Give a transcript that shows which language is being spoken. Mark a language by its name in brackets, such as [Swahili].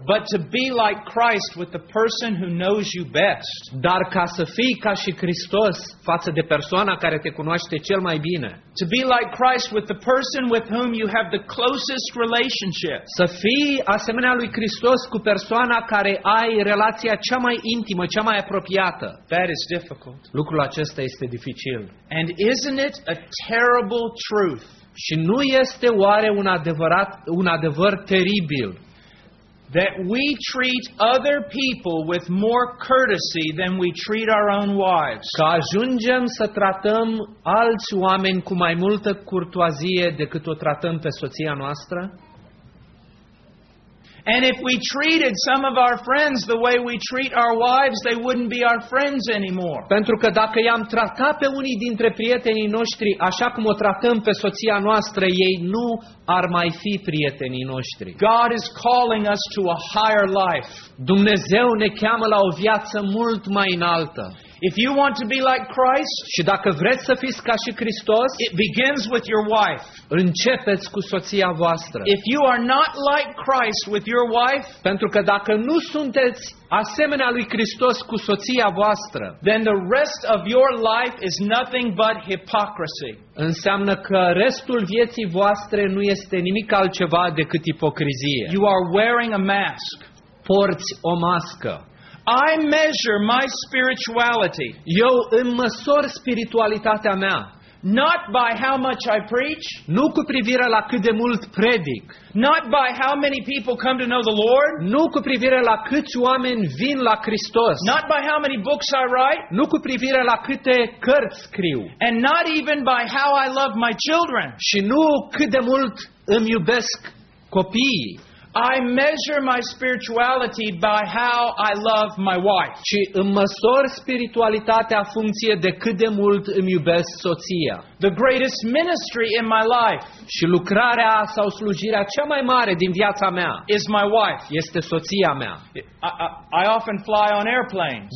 [English] But to be like Christ with the person who knows you best. [Romanian] Dar ca să fii ca și Hristos față de persoana care te cunoaște cel mai bine. [English] To be like Christ with the person with whom you have the closest relationship. [Romanian] Să fii asemenea lui Hristos cu persoana care ai relația cea mai intimă, cea mai apropiată. [English] That is difficult. [Romanian] Lucrul acesta este dificil. [English] And isn't it a terrible truth? [Romanian] Și nu este oare un adevăr teribil? [English] That we treat other people with more courtesy than we treat our own wives. [Romanian] Că ajungem să tratăm alți oameni cu mai multă curtoazie decât o tratăm pe soția noastră? [English] And if we treated some of our friends the way we treat our wives, they wouldn't be our friends anymore. [Romanian] Pentru că dacă i-am tratat pe unii dintre prietenii noștri așa cum o tratăm pe soția noastră, ei nu ar mai fi prietenii noștri. [English] God is calling us to a higher life. [Romanian] Dumnezeu ne cheamă la o viață mult mai înaltă. [English] If you want to be like Christ, [Romanian] și dacă vreți să fiți ca și Hristos, [English] it begins with your wife. [Romanian] Începeți cu soția voastră. [English] If you are not like Christ with your wife, [Romanian] pentru că dacă nu sunteți asemenea lui Hristos cu soția voastră, [English] then the rest of your life is nothing but hypocrisy. [Romanian] Înseamnă că restul vieții voastre nu este nimic altceva decât ipocrizie. [English] You are wearing a mask. [Romanian] Porți o mască. [English] I measure my spirituality. [Romanian] Eu îmi măsor spiritualitatea mea. [English] Not by how much I preach. [Romanian] Nu cu privire la cât de mult predic. [English] Not by how many people come to know the Lord. [Romanian] Nu cu privire la câți oameni vin la Hristos. [English] Not by how many books I write. [Romanian] Nu cu privire la câte cărți scriu. [English] And not even by how I love my children. [Romanian] Și nu cât de mult îmi iubesc copiii. [English] I measure my spirituality by how I love my wife. [Romanian] Ci îmi măsor spiritualitatea funcție de cât de mult îmi iubesc soția. [English] The greatest ministry in my life. [Romanian] Și lucrarea sau slujirea cea mai mare din viața mea. [English] Is my wife. [Romanian] Este soția mea. [English] I often fly on airplanes.